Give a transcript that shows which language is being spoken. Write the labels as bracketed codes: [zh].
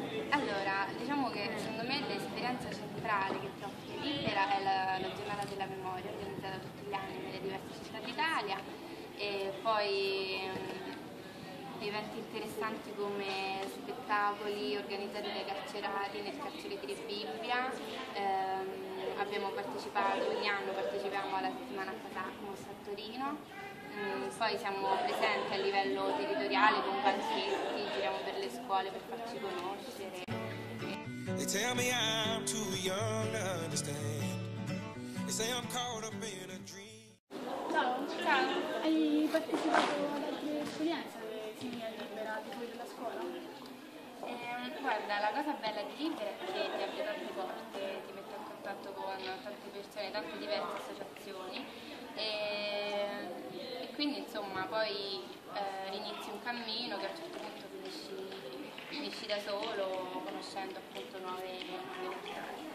[it] Allora, diciamo che secondo me l'esperienza centrale che ti offre Libera è la giornata della memoria, organizzata tutti gli anni nelle diverse città d'Italia, e poi eventi interessanti come spettacoli organizzati dai carcerati nel carcere di Bibbia. Abbiamo partecipato, ogni anno partecipiamo alla settimana Catacomos a Torino, poi siamo presenti a livello territoriale con banchetti, giriamo per le scuole per farci conoscere. [en] They tell me I'm too young to understand. They say I'm caught up in a dream. [it] Ciao, ciao. Hai partecipato ad altre esperienze simili a Libera, tipo della scuola? Guarda, la cosa bella di Libera è che ti apre tante porte, ti mette in contatto con tante persone, tante diverse associazioni, e quindi insomma poi inizi un cammino che a un certo punto finisci da solo, conoscendo appunto nuove realtà.